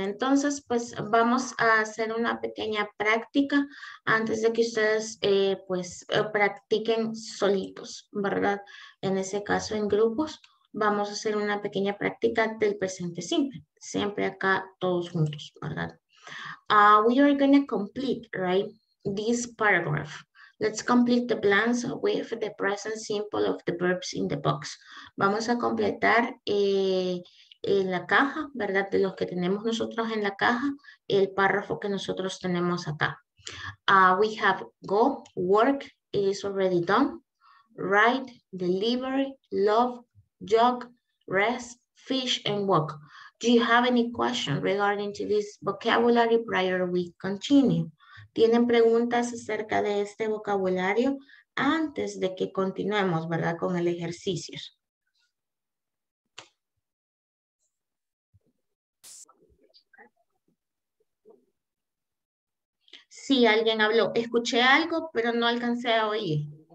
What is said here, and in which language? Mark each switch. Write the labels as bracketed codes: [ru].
[es] Entonces, pues vamos a hacer una pequeña práctica antes de que ustedes practiquen solitos, ¿verdad? En ese caso, en grupos, vamos a hacer una pequeña práctica del presente simple. Siempre acá todos juntos, ¿verdad? [en] We are going to complete, right, this paragraph. Let's complete the blanks with the present simple of the verbs in the box. [es] Vamos a completar en la caja, ¿verdad? De los que tenemos nosotros en la caja, el párrafo que nosotros tenemos acá. [en] We have go, work, it is already done. Write, deliver, love, jog, rest, fish, and walk. Do you have any question regarding to this vocabulary prior we continue? [es] ¿Tienen preguntas acerca de este vocabulario antes de que continuemos, ¿verdad? Con el ejercicio. Sí, alguien habló. Escuché algo, pero no alcancé a oír.